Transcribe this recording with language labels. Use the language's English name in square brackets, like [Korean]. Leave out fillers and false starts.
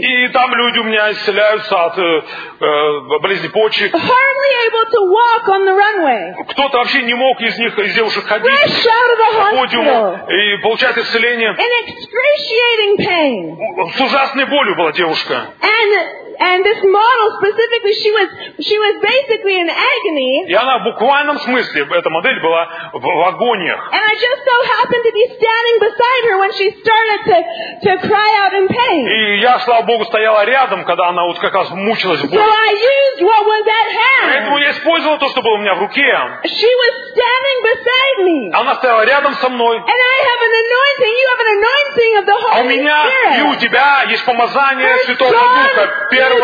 [Russian] И там люди у меня исцеляются от болезни почек. [English] Hardly able to walk on the runway. [Russian] Кто-то вообще не мог из них, из девушек ходить. [English] Fresh out of the hospital. [Russian] И получать исцеление. [English] In excruciating pain. [Russian] С ужасной болью была девушка. [English] And this model specifically, she was basically in agony. [Russian] И она в буквальном смысле, эта модель была в агониях. [English] And I just so happened to be standing beside her when she started to cry out in pain. [Russian] И я, слава Богу, стояла рядом, когда она вот как раз мучилась болью. [English] So I used what was at hand. [Russian] Поэтому я использовала то, что было у меня в руке. [English] She was standing beside me. [Russian] Она стояла рядом со мной. [English] And I have an anointing. You have an anointing of the Holy Spirit. [Russian] У меня и у тебя есть помазание Святого Духа.